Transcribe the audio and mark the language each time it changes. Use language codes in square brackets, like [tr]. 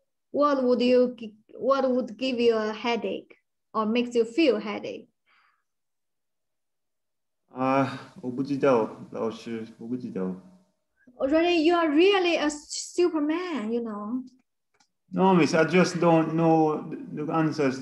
[en] What would give you a headache or makes you feel headache? [zh] 我不知道,老师,我不知道. [en] Really, you are really a superman, you know. No, miss, I just don't know the answers.